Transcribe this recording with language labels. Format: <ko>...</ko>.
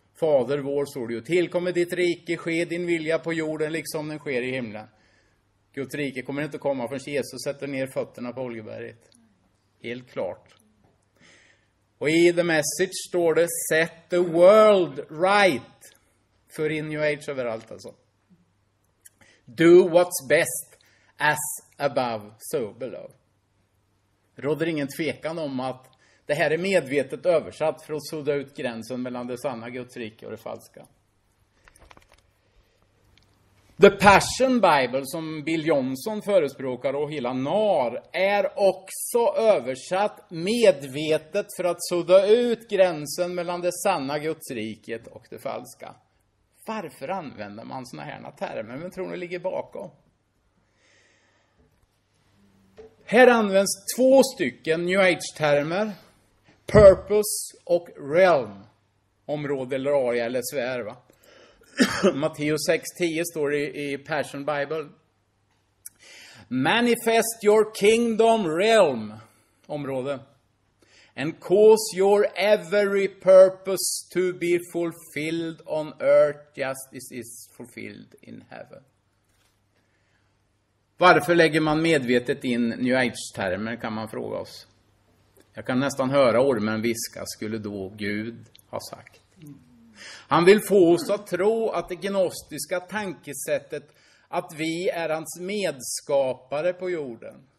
<sv>Fader vår, står det ju, tillkommer ditt rike, ske din vilja på jorden liksom den sker i himlen. Guds rike kommer inte komma förrän Jesus sätter ner fötterna på Oljeberget. Helt klart. Och i The Message står det,</sv> <en>set the world right.</en> <sv>För in New Age överallt alltså.</sv> <en>Do what's best, as above, so below.</en> <sv>Råder ingen tvekan om att det här är medvetet översatt för att sudda ut gränsen mellan det sanna Guds rike och det falska. The Passion Bible som Bill Johnson förespråkar och hela NAR är också översatt medvetet för att sudda ut gränsen mellan det sanna gudsriket och det falska. Varför använder man såna här termer? Men tror ni ligger bakom? Här används två stycken New Age-termer. Purpose och Realm. Område eller area eller sfär, va? Matteus 6:10 står i Passion Bible.</sv> <en>Manifest your kingdom realm,</en> <sv>område,</sv> <en>and cause your every purpose to be fulfilled on earth just as it is fulfilled in heaven.</en> <sv>Varför lägger man medvetet in New Age-termer, kan man fråga oss. Jag kan nästan höra ormen viska, skulle då Gud ha sagt. Han vill få oss att tro att det gnostiska tankesättet, att vi är hans medskapare på jorden.</sv>